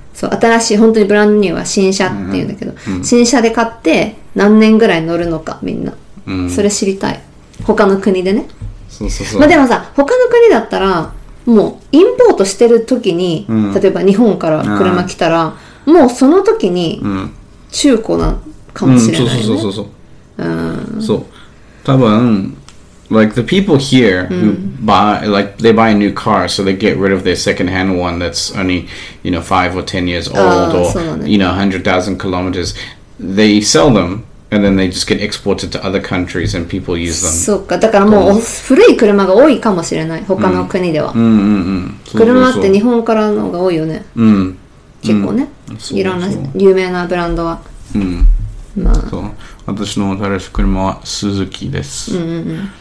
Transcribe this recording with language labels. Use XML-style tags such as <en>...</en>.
<ja>そう、新しい、本当にブランニューは新車って言うんだけど、うんうん、新車で買って何年ぐらい乗るのか、みんな、うん、それ知りたい。他の国でね、そうそうそう、まあでもさ、他の国だったらもうインポートしてる時に、うん、例えば日本から車来たら、うん、もうその時に中古な、うん、かもしれないね、うん、そうそうそうそう、うん、そう、多分</ja> <en>like the people here who buy、</en> <ja>うん、</ja> <en>like they buy a new car so they get rid of their second hand one that's only you know 5 or 10 years old or、</en> <ja>ね、</ja> <en>you know 100,000 kilometers they sell them and then they just get exported to other countries and people use them。</en> <ja>そうか、だからもう古い車が多いかもしれない、他の国では。うんうんうん、車って日本からのが多いよね。うん、結構ね、いろんな有名なブランドは、うん、まあ、そう、私の新しい車はスズキです。うんうんうん、</ja>